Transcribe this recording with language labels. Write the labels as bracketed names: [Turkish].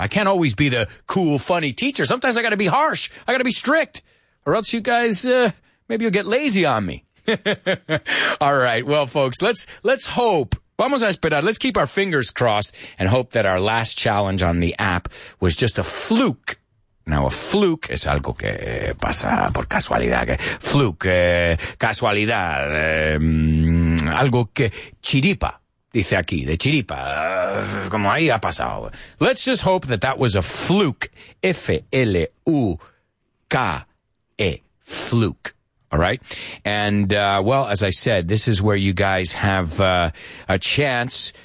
[English] I can't always be the cool, funny teacher. Sometimes I got to be harsh. I got to be strict or else you guys, maybe you'll get lazy on me. All right. Well, folks, let's hope [Spanish] Vamos a esperar. [English] Let's keep our fingers crossed and hope that our last challenge on the app was just a fluke. Now, a fluke [Spanish] es algo que pasa por casualidad. Fluke, casualidad, algo que chiripa, dice aquí, de chiripa, como ahí ha pasado. [English] Let's just hope that that was a fluke, F-L-U-K-E, fluke. All right. And, well, as I said, this is where you guys have, a chance.